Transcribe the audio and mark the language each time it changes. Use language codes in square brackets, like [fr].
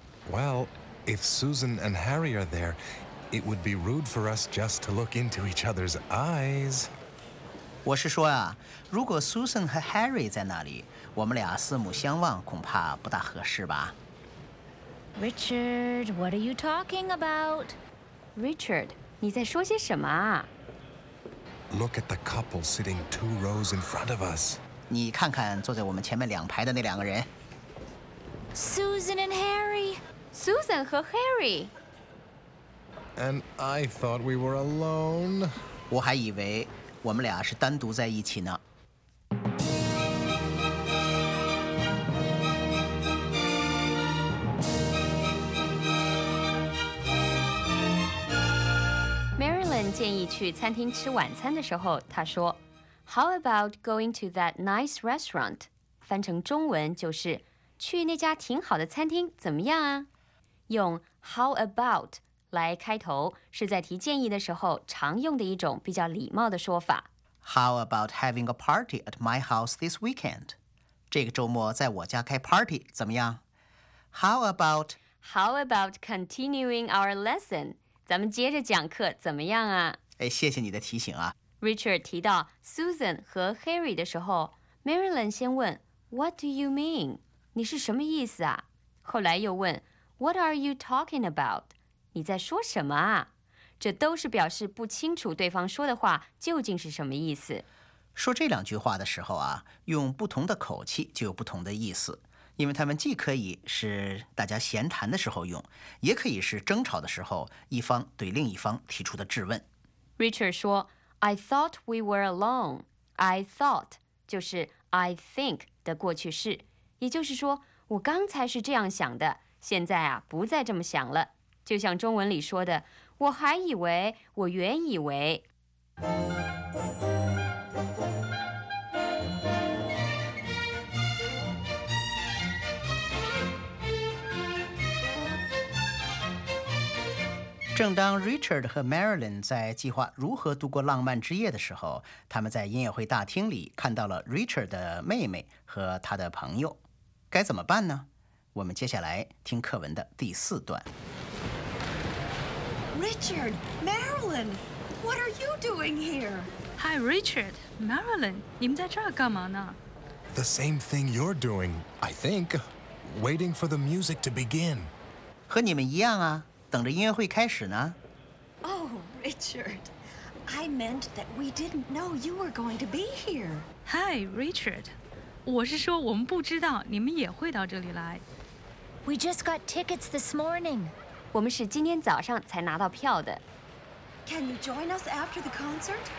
[en] Well, if Susan and Harry are there, it would be rude for us just to look into each other's eyes. [zh] 我是说啊，如果 Susan 和 Harry 在那里，我们俩四目相望恐怕不大合适吧。 [en] Richard, what are you talking about? [zh] Richard, 你在说些什么啊？ [en] Look at the couple sitting two rows in front of us. [zh] 你看看坐在我们前面两排的那两个人。 [en] Susan and Harry. [zh] Susan 和 Harry. [en] And I thought we were alone. [zh] 我还以为我们俩是单独在一起呢。 Marilyn 建议去餐厅吃晚餐的时候，她说 [en] How about going to that nice restaurant? [zh] 翻成中文就是去那家挺好的餐厅怎么样啊？用 [en] how about [zh] 来开头，是在提建议的时候常用的一种比较礼貌的说法。 [en] How about having a party at my house this weekend? [zh] 这个周末在我家开 party 怎么样？ [en] How about continuing our lesson? [zh] 咱们接着讲课怎么样啊？哎，谢谢你的提醒啊。 Richard 提到 Susan 和 Harry 的时候， Marilyn 先问 [en] What do you mean? [zh] 你是什么意思啊？后来又问 [en] What are you talking about? [zh] 你在说什么啊？这都是表示不清楚对方说的话究竟是什么意思。说这两句话的时候啊，用不同的口气就有不同的意思，因为他们既可以是大家闲谈的时候用，也可以是争吵的时候一方对另一方提出的质问。 [en] Richard 说 I thought we were alone. I thought [zh] 就是 [en] I think [zh] 的过去式，也就是说，我刚才是这样想的，现在啊，不再这么想了。就像中文里说的，我还以为，我原以为。正当 Richard 和 Marilyn 在计划如何度过浪漫之夜的时候，他们在音乐会大厅里看到了 Richard 的妹妹和他的朋友。该怎么办呢？我们接下来听课文的第四段。 [en] Richard, Marilyn, what are you doing here? [zh] Hi, Richard, Marilyn, 你们在这儿干嘛呢？ [en] The same thing you're doing, I think. Waiting for the music to begin. [zh] 和你们一样啊，等着音乐会开始呢。 [en] Oh, Richard, I meant that we didn't know you were going to be here. Hi, Richard. [zh] 我是说我们不知道你们也会到这里来。 [en] We just got tickets this morning. [zh] 我们是今天早上才拿到票的。 [en] Can you join us after the concert?